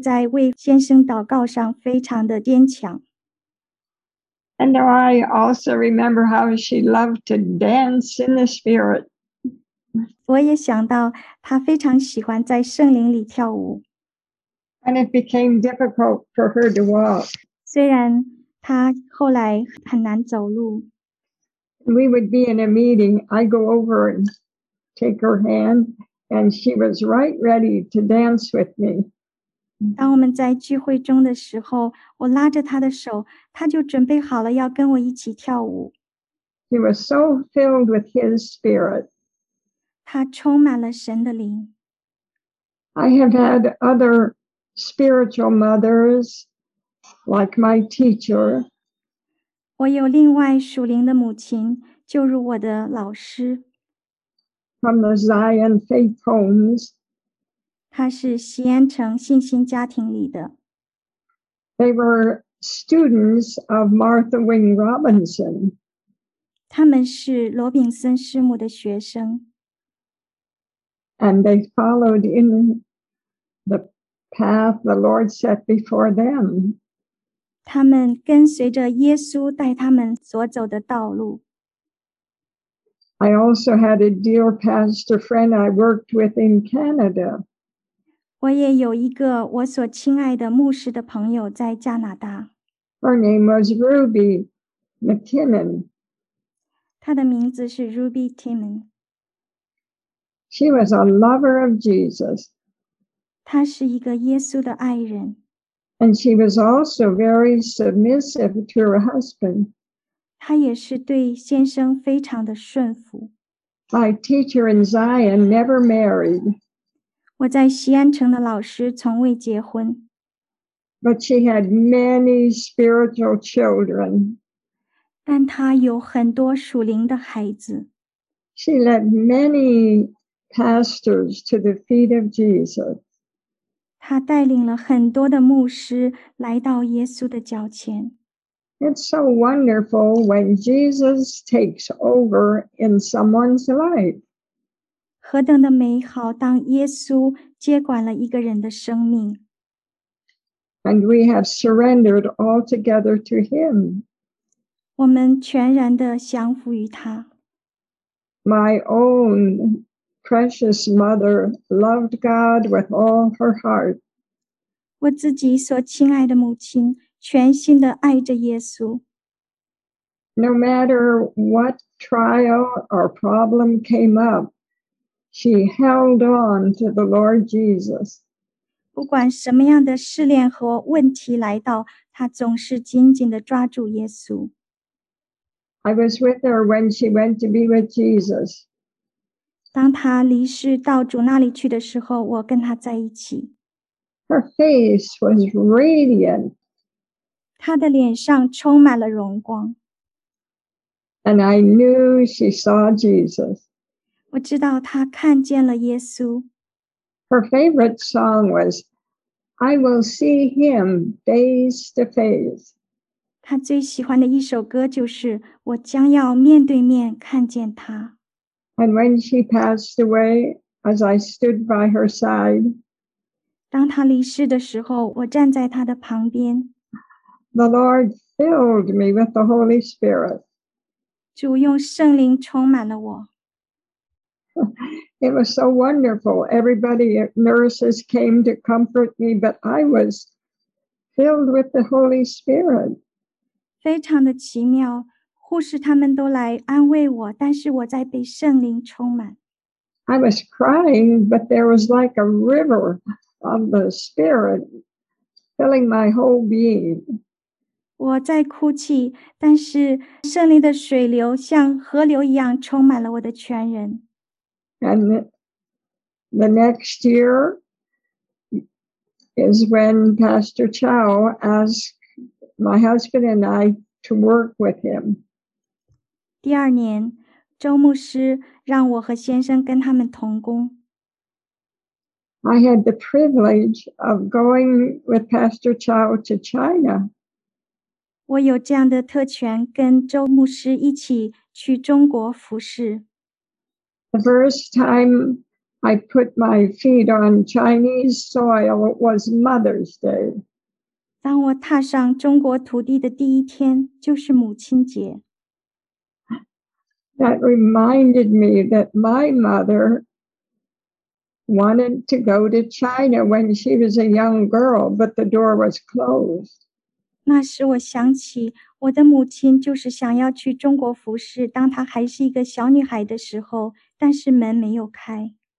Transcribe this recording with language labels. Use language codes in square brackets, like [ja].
[zh] 但他同时又在为先生祷告上非常的坚强。 [en] And I also remember how she loved to dance in the spirit. [zh] 我也想到她非常喜欢在圣灵里跳舞。 [en] And it became difficult for her to walk. [zh] 虽然她后来很难走路。 [en] We would be in a meeting. I go over and take her hand, and she was right ready to dance with me. [zh] 当我们在聚会中的时候，我拉着她的手，她就准备好了要跟我一起跳舞。 [en] She was so filled with His Spirit. [zh] 她充满了神的灵。 [en] I have had other spiritual mothers like my teacher. [zh] 我有另外属灵的母亲，就如我的老师。 [en] From the Zion Faith Homes. [zh] 她是锡安城信心家庭里的。 [en] They were students of Martha Wing Robinson. [zh] 他们是罗宾森师母的学生。 [en] And they followed in the path the Lord set before them. [zh] 他们跟随着耶稣带他们所走的道路。 [en] I also had a dear pastor friend I worked with in Canada. [zh] 我也有一个我所亲爱的牧师的朋友在加拿大。 [en] Her name was Ruby McKinnon. [zh] 她的名字是 Ruby Timmon. [en] She was a lover of Jesus. [zh] 她是一个耶稣的爱人。 [en] And she was also very submissive to her husband. [zh] 她也是对先生非常的顺服。 [en] My teacher in Zion never married. [zh] 我在锡安城的老师从未结婚。 [en] But she had many spiritual children. [zh] 但她有很多属灵的孩子。 [en] She led many pastors to the feet of Jesus. [zh] 她带领了很多的牧师来到耶稣的脚前。 [en] It's so wonderful when Jesus takes over in someone's life. [zh] 何等的美好，当耶稣接管了一个人的生命。 [en] And we have surrendered altogether to Him. [zh] 我们全然的降服于他。 [en] My own precious mother loved God with all her heart. [zh] 我自己所亲爱的母亲全心地爱着耶稣。 [en] No matter what trial or problem came up, she held on to the Lord Jesus. [zh] 不管什么样的试炼和问题来到，她总是紧紧地抓住耶稣。 [en] I was with her when she went to be with Jesus. [zh] 当她离世到主那里去的时候，我跟她在一起。 [en] Her face was radiant. [zh] 她的脸上充满了荣光。 [en] And I knew she saw Jesus. [zh] 我知道她看见了耶稣。 [en] Her favorite song was, I will see him face to face. [zh] 她最喜欢的一首歌就是，我将要面对面看见他。 [en] And when she passed away, as I stood by her side, [zh] 当她离世的时候，我站在她的旁边。 [en] The Lord filled me with the Holy Spirit. [zh] 主用圣灵充满了我。 [en] It was so wonderful. Everybody, nurses came to comfort me, but I was filled with the Holy Spirit. [zh] 非常的奇妙，护士他们都来安慰我，但是我在被圣灵充满。 [en] I was crying, but there was like a river of the Spirit filling my whole being. [zh] 我在哭泣，但是圣灵的水流像河流一样充满了我的全人。 [en] And the next year is when Pastor Chow asked my husband and I to work with him. [zh] 第二年，周牧师让我和先生跟他们同工。 [en] I had the privilege of going with Pastor Chow to China. [zh] 我有这样的特权，跟周牧师一起去中国服侍。 [en] The first time I put my feet on Chinese soil was Mother's Day. [zh] 当我踏上中国土地的第一天，就是母亲节。 [en] That reminded me that my mother wanted to go to China when she was a young girl, but the door was closed. [zh] 那时我想起我的母亲就是想要去中国服侍，当她还是一个小女孩的时候，但是门没有开。